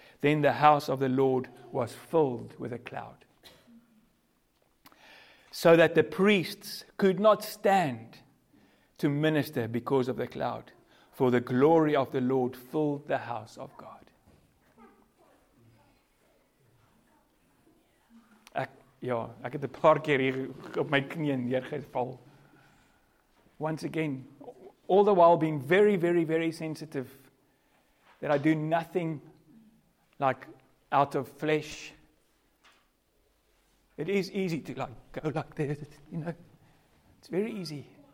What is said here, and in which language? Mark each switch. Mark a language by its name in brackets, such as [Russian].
[English] Then the house of the Lord was filled with a cloud, so that the priests could not stand to minister because of the cloud, for the glory of the Lord filled the house of God. [Afrikaans] Ja, ek het 'n paar keer hier op my knieën neergeval. [English] Once again, all the while being very, very, very sensitive that I do nothing like out of flesh. It is easy to like go like this, you know. It's very easy.